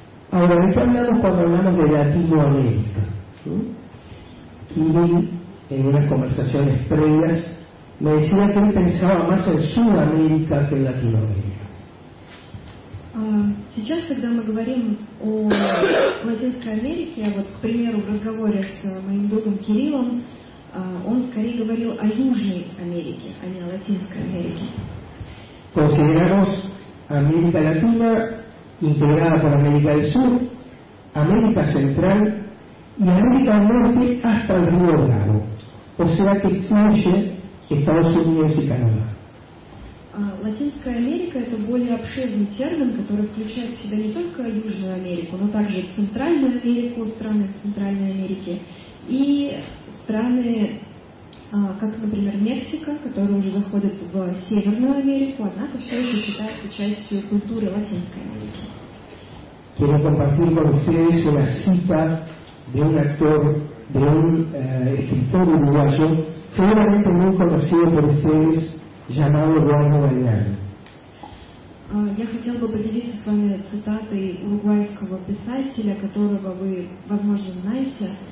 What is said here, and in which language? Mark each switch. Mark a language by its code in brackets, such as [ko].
[es] Ahora, ¿de qué hablamos cuando hablamos de Latinoamérica? Kirill, en unas conversaciones previas, me decía que él pensaba más en Sudamérica que en Latinoamérica. [ru] Сейчас, когда мы говорим о Латинской Америке, вот, к примеру, в разговоре с моим другом Кириллом, он скорее говорил о Южной Америке, а не о Латинской Америке. [es] Consideramos América Latina, integrada por América del Sur, América Central y América del Norte hasta el río Bravo, o sea que incluye Estados Unidos y Canadá. [ru] Латинская Америка – это более обширный термин, который включает в себя не только Южную Америку, но также Центральную Америку, страны Центральной Америки и страны, как, например, Мексика, которая уже заходит в Северную Америку, однако все еще считается частью культуры Латинской Америки. [es] Quiero compartir con ustedes una cita de un actor, de un escritor uruguayo, seguramente muy conocido por ustedes, llamado Eduardo Galeano. [ru] Я хотел бы поделиться с вами цитатой уругвайского писателя, которого вы, возможно, знаете.